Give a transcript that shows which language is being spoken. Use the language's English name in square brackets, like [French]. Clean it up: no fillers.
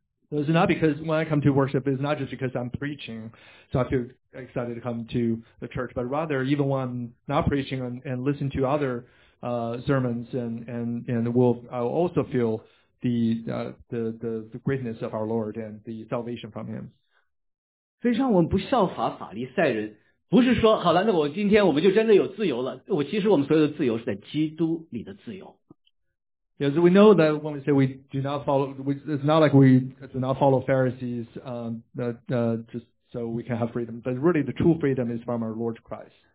[English] So it's not because when I come to worship, it's not just because I'm preaching, so I feel excited to come to the church, but rather even when I'm not preaching and listen to other sermons I'll also feel the greatness of our Lord and the salvation from Him. [Chinese] 非常我们不效法法利赛人，不是说好了，那我今天我们就真的有自由了。我其实我们所有的自由是在基督里的自由。 [English] Yes, we know that when we say we do not follow, it's not like we do not follow Pharisees just so we can have freedom. But really, the true freedom is from our Lord Christ.